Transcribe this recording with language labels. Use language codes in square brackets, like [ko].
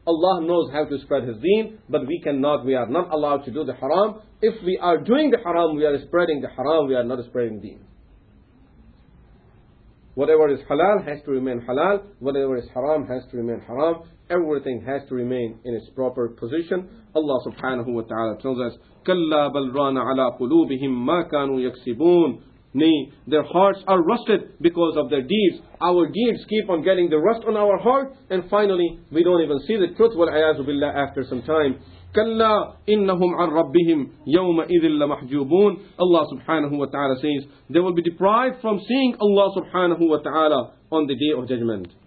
[en] Allah knows how to spread His deen, but we cannot, we are not allowed to do the haram. If we are doing the haram, we are spreading the haram, we are not spreading deen. Whatever is halal has to remain halal. Whatever is haram has to remain haram. Everything has to remain in its proper position. [ar] Allah subhanahu wa ta'ala [en] tells us, [ar] كَلَّا بَلْرَانَ عَلَىٰ قُلُوبِهِمْ مَا كَانُوا يَكْسِبُونَ. [en] Nay, their hearts are rusted because of their deeds. Our deeds keep on getting the rust on our heart. And finally, we don't even see the truth, [ar] وَالْعَيَازُ بِاللَّهِ, [en] after some time. [ar] كَلَّا إِنَّهُمْ عَنْ رَبِّهِمْ يَوْمَئِذٍ لَمَحْجُوبُونَ. [en] Allah subhanahu wa ta'ala says, they will be deprived from seeing Allah subhanahu wa ta'ala on the Day of Judgment.